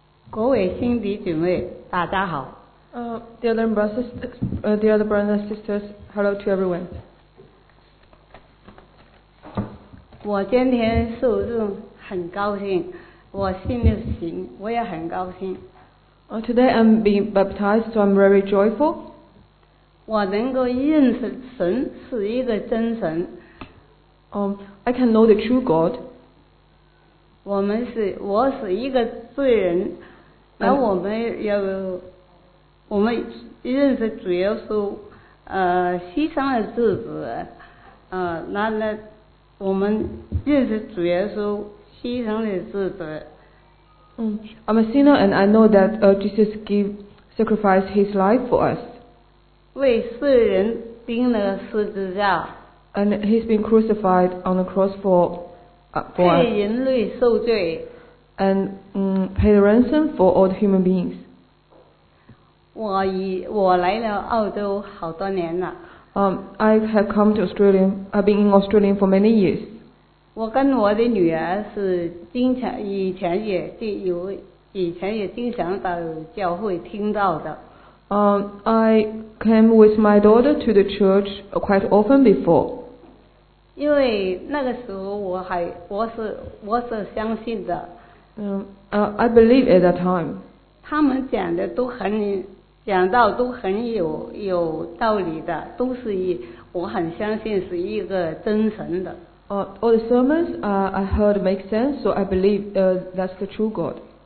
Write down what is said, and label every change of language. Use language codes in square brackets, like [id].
[zh] 各位兄弟姐妹，大家好。 [en] Dear brothers and sisters, hello to everyone. [zh] 我今天受众很高兴，我信了神，我也很高兴。 [en] Today I'm being baptized, so I'm very joyful. [zh] 我能够认识神是一个真神。 [en] I can know the true God. [zh] 我是一个罪人。那我们要，我们认识主耶稣，牺牲的日子，那我们认识主耶稣牺牲的日子。 [en] I'm a sinner and I know that Jesus sacrificed his life for us. [zh] 为世人钉了十字架。 [en] And he's been crucified on the cross for us. [zh] 为人类受罪。 [en] And pay the ransom for all the human beings. [zh] 我来了澳洲好多年了。 [en] I have come to Australia. I've been in Australia for many years. [zh] 我跟我的女儿是以前也经常到教会听到的。 [en] I came with my daughter to the church quite often before. [zh] 因为那个时候我是相信的。 [en] I believe at that time. [zh] 他们讲的都很讲到都很有道理的，都是一我很相信是一个真神的。 [en] All the sermons I heard make sense, so I believe that's the true God.